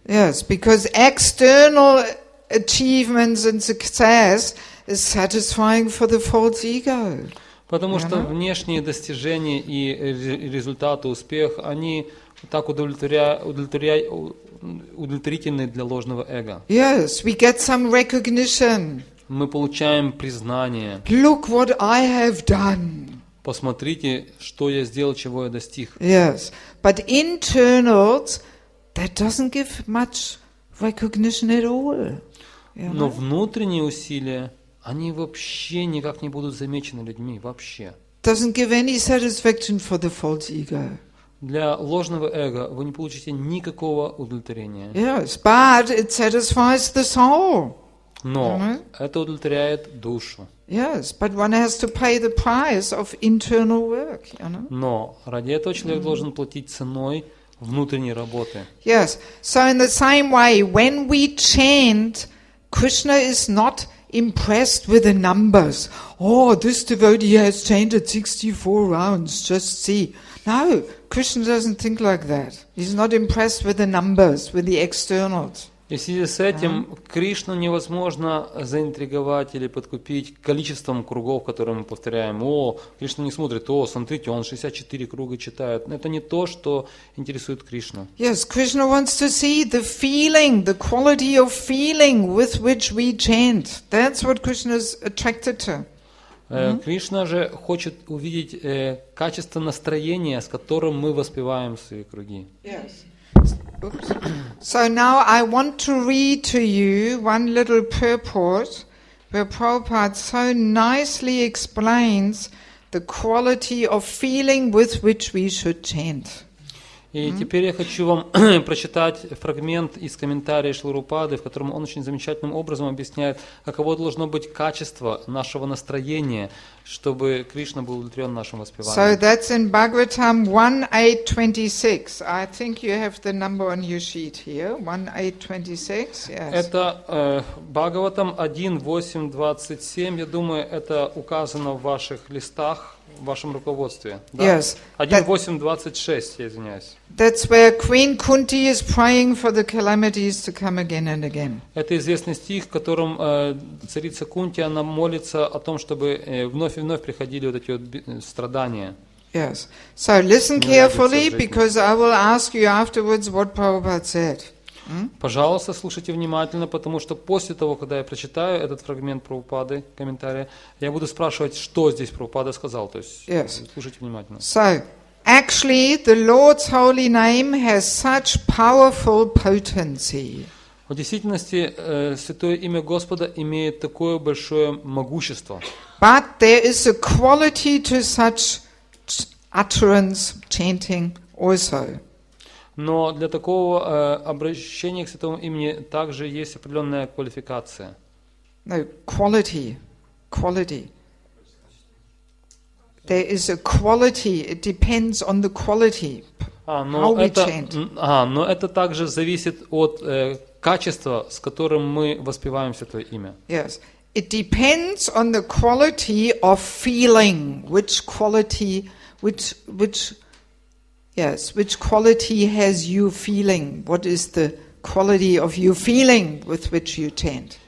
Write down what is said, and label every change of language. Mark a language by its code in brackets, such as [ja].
[en] Yes, because external achievements and success is satisfying for the false ego. [ru] Потому что внешние достижения и результаты, успех, они так удовлетворительны для ложного эго. [en] Yes, we get some recognition. [ru] Мы получаем признание. [en] Look what I have done. [ru] Посмотрите, что я сделал, чего я достиг. [en] Yes, but internal, that doesn't give much recognition at all. [ru] Но внутренние усилия, они вообще никак не будут замечены людьми, вообще. [en] Doesn't give any satisfaction for the false ego. [ru] Для ложного эго вы не получите никакого удовлетворения. [en] Yes, but it satisfies the soul. [ru] Но это удовлетворяет душу. [en] Yes, but one has to pay the price of internal work, you know? [ru] Но ради этого человек должен платить ценой внутренней работы. [en] Yes, so in the same way, when we chant, Krishna is not impressed with the numbers. Oh, this devotee has chanted 64 rounds, just see. No, Krishna doesn't think like that. He's not impressed with the numbers, with the externals. [ru] И в связи с этим Кришну невозможно заинтриговать или подкупить количеством кругов, которые мы повторяем. О, Кришна не смотрит. О, смотрите, он 64 круга читает. Это не то, что интересует Кришну. [en] Yes, Krishna wants to see the feeling, the quality of feeling with which we chant. That's what Krishna is attracted to. [ru] Кришна же хочет увидеть качество настроения, с которым мы воспеваем свои круги. [en] Yes. So now I want to read to you one little purport where Prabhupada so nicely explains the quality of feeling with which we should chant. [ru] И теперь я хочу вам прочитать фрагмент из комментария Шрилы Прабхупады, в котором он очень замечательным образом объясняет, каково должно быть качество нашего настроения, чтобы Кришна был удовлетворен нашим воспеванием. [en] So that's in Bhagavatam 1.8.26. I think you have the number on your sheet here. 1.8.26, yes. [ru] Это Бхагаватам 1.8.27. Я думаю, это указано в ваших листах. В вашем руководстве. Да? [en] Yes. [ru] 1.8.26, я извиняюсь. [en] That's where Queen Kunti is praying for the calamities to come again and again. [ru] Это известный стих, в котором царица Кунти, она молится о том, чтобы вновь и вновь приходили вот эти вот страдания. [en] Yes. So listen carefully, because I will ask you afterwards what Prabhupada said. [ru] Пожалуйста, слушайте внимательно, потому что после того, когда я прочитаю этот фрагмент Прабхупады, комментария, я буду спрашивать, что здесь Прабхупада сказал. То есть, слушайте внимательно. [en] So, actually, the Lord's holy name has such powerful potency. [ru] В действительности, святое имя Господа имеет такое большое могущество. [en] But there is a quality to such utterance, chanting also. [ru] Но для такого обращения к святому имени также есть определенная квалификация. [en] No, quality. Quality. There is a quality. It depends on the quality. [ru] Но это также зависит от качества, с которым мы воспеваем святое имя. [en] Yes. It depends on the quality of feeling. Which quality, which Yes, which quality has you feeling? What is the quality of you feeling with which you tend?